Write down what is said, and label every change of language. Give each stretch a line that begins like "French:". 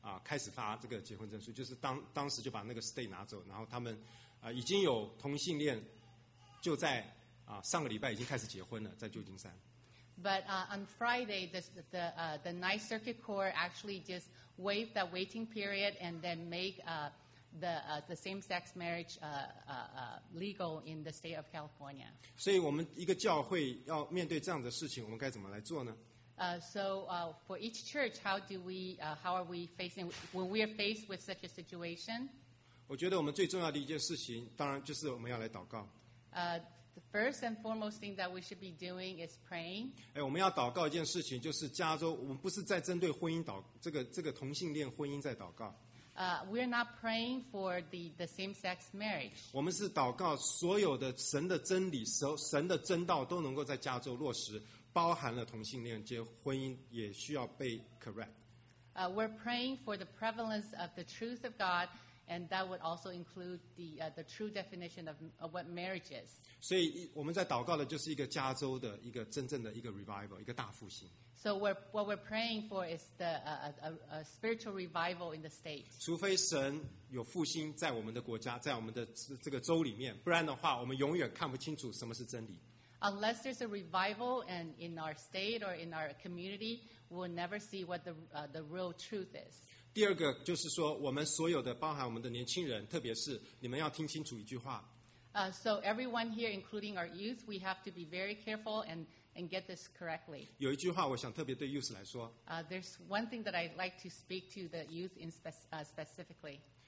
Chinese: 开始发这个结婚证书，就是当时就把那个 state 拿走，然后他们已经有同性恋就在上个礼拜已经开始结婚了，在旧金山。
English: But on Friday, the Ninth Circuit Court actually just waived that waiting period and then make the same-sex marriage legal in the state of California.
Chinese: 所以我们一个教会要面对这样的事情，我们该怎么来做呢？
English: For each church, when we are faced with such a situation?
Chinese: 我觉得我们最重要的一件事情，当然就是我们要来祷告。
English: The first and foremost thing that we should be doing is praying.
Chinese: 我们要祷告一件事情，就是加州，我们不是在针对婚姻祷，这个同性恋婚姻在祷告。
English: We are not praying for the same-sex marriage.
Chinese: 我们是祷告所有的神的真理，神的真道都能够在加州落实。包含了同性恋，这婚姻也需要被 correct。
English: We're praying for the prevalence of the truth of God, and that would also include the true definition of what marriage is.
Chinese: 所以我们在祷告的就是一个加州的一个真正的一个 revival, 一个大复兴。
English: So what we're praying for is a spiritual revival in the state.
Chinese: 除非神有复兴在我们的国家，在我们的这个州里面，不然的话，我们永远看不清楚什么是真理。
English: Unless there's a revival and in our state or in our community, we'll never see what the real truth is.
Chinese: 第二个就是说，我们所有的包含我们的年轻人，特别是你们要听清楚一句话。
English: So everyone here, including our youth, we have to be very careful and get this correctly.
Chinese: 有一句话我想特别对 youth 来说。
English: There's one thing that I'd like to speak to the youth in specifically.